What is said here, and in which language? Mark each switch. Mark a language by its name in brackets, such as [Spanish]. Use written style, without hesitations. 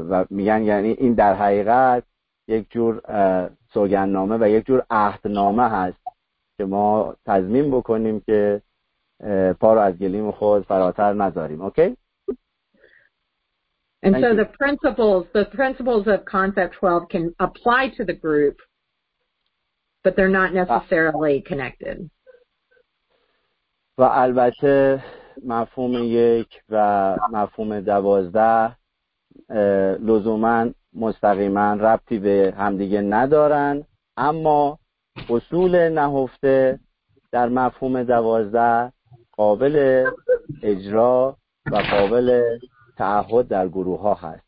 [Persian] میگن یعنی این در حقیقت یک جور سوگندنامه و یک جور عهدنامه هست که ما تضمین بکنیم که پا رو از گلیم خود فراتر نذاریم. [English] Okay. And so the principles of concept 12 can apply to the group, but they're not necessarily connected. [Persian] و البته مفهوم یک و مفهوم دوازده لزوماً مستقیماً ربطی به همدیگه ندارن، اما اصول نهفته در مفهوم دوازده قابل اجرا و قابل تعهد در گروه ها هست.